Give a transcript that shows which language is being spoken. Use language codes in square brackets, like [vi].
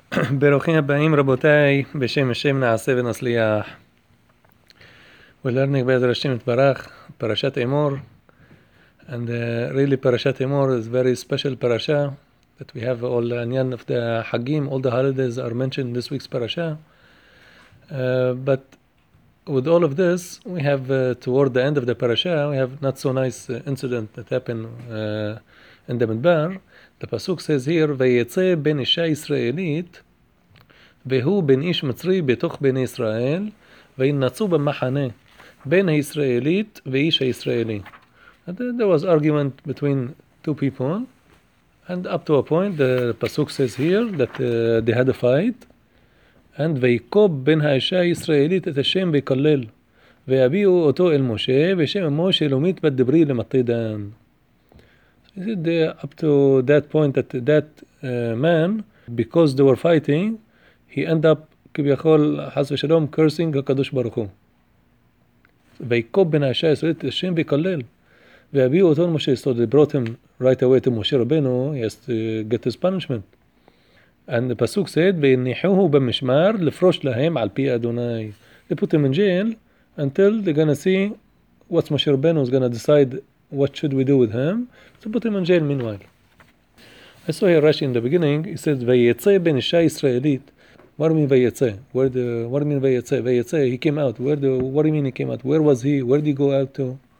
[he] ברוכים הבאים רבותיי, בשם השם נעשה ונצליח. ולרנינג בעזר השם יתברך, פרשת אמור. [en] And really פרשת אמור is very special פרשה that we have all עניין of the חגים, all the holidays are mentioned in this week's פרשה. But with all of this, we have toward the end of the פרשה, we have not so nice incident that happened in the מדבר. The פסוק says here, [he] ויצא בן אישה ישראלית, והוא בן איש מצרי בתוך בני ישראל, וינצו במחנה, בן הישראלית ואיש הישראלי. [en] And there was argument between two people, and up to a point, the פסוק says here, that they had a fight, and [he] ויקוב בן האישה הישראלית את השם ויקלל, ויביאו אותו אל משה, ושם משה לומית בת דברי למתידן. [en] Is it up to that point that that man, because they were fighting, he end up, כביכול, חס ושלום, cursing הקדוש ברוך הוא. [he] ויקוב בן האישה הישראלית את השם ויקלל. והביאו אותו למשה, [en] so they brought him right away to משה רבנו, he has to get his punishment. And the פסוק said, [he] וניחוהו במשמר לפרוש להם על פי אדוני. [en] They put him in jail until they're going to see what משה רבנו is going to decide. What should we do with him? So put him in jail meanwhile. I saw here Rashi in the beginning. He says, [he] Vayetze ben isha Yisraelit. [en] What do you mean Vayetze? What do you mean Vayetze? Vayetze, he came out. What do you mean he came out? Where was he? Where did he go out to?